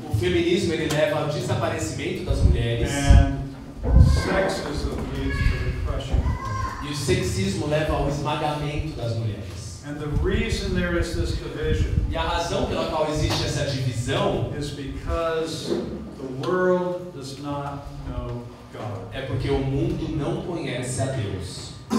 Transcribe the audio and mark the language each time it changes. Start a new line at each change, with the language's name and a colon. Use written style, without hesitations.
Portuguese: O feminismo ele leva ao desaparecimento das mulheres.
English: And sexism leads to the crushing.
Portuguese: E o sexismo leva ao esmagamento das mulheres.
English: And the reason there is this division.
Portuguese: E a razão pela qual existe essa divisão
English: is because the world does not know God.
Portuguese: É porque o mundo não conhece a Deus.